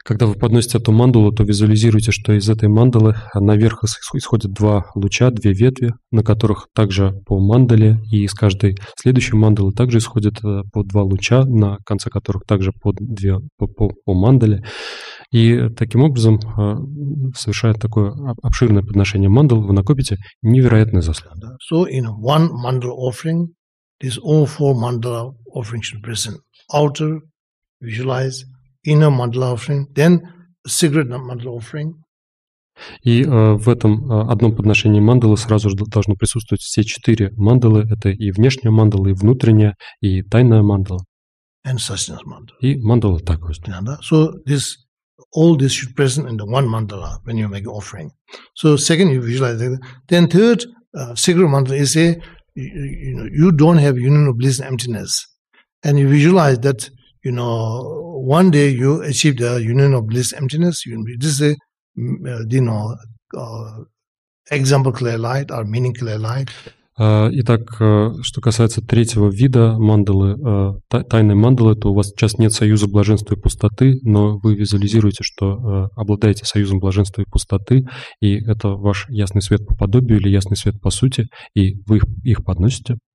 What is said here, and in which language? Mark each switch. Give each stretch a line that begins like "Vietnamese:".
Russian: Когда вы подносите эту мандалу, то визуализируйте, что из этой мандалы наверх исходят два луча, две ветви, на которых также по мандале, и из каждой следующей мандалы также исходят по два луча, на конце которых также по две по мандале. И таким образом, совершая такое обширное подношение мандал, вы накопите невероятные заслуги.
English: So in one mandala offering, these all four mandala offerings should present. Outer, visualize, inner mandala offering, then secret mandala offering.
Russian: И в этом одном подношении мандалы сразу же должно присутствовать все четыре мандалы. Это и внешняя мандала, и внутренняя, и тайная мандала.
English: And sustenance mandala.
Russian: И мандала такой.
English: Yeah, so this, all this should present in the one mandala when you make offering. So second, you visualize. Then third, secret mandala is a, you don't have union of bliss and emptiness. And you visualize that, you know, one day you achieve the union of bliss emptiness. This is a, example clear light or meaning clear light.
Russian: Итак, что касается третьего вида мандалы, тайной мандалы, то у вас сейчас нет союза блаженства и пустоты, но вы визуализируете, что обладаете союзом блаженства и пустоты, и это ваш ясный свет по подобию или ясный свет по сути, и вы их подносите.